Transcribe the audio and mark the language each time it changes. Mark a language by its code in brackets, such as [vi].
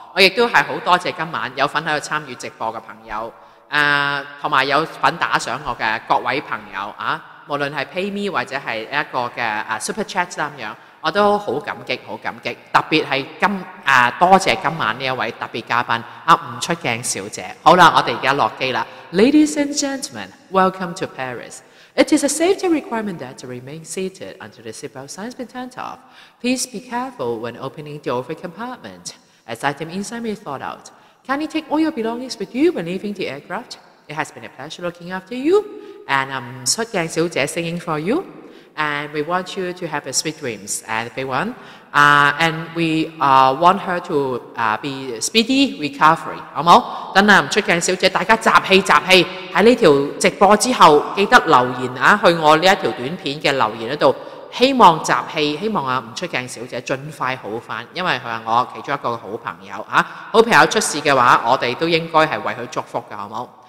[yue] 我亦都系好多谢今晚有份喺度参与直播嘅朋友，同埋有份打赏我嘅各位朋友啊，无论系 PayMe 或者系一个嘅、啊、Super Chat 咁样。我都好感激，好感激，特別係今啊，多謝今晚呢一位特別嘉賓啊，吳出鏡小姐。好啦，我哋而家落機啦。 [en] Ladies and gentlemen, welcome to Paris. It is a safety requirement that to remain seated until the seatbelt sign has been turned off. Please be careful when opening the overhead compartment. As item inside may fall out, can you take all your belongings with you when leaving the aircraft? It has been a pleasure looking after you, and 吳出鏡小姐 singing for you. And we want you to have a sweet dreams, and big one. And we want her to be speedy recovery, [yue] 好冇？等啊，吳出鏡小姐，大家集氣集氣，喺呢條直播之後，記得留言啊，去我呢一條短片嘅留言嗰度，希望集氣，希望啊吳出鏡小姐盡快好翻，因為佢係我其中一個好朋友啊。好朋友出事嘅話，我哋都應該係為佢祝福嘅，好冇？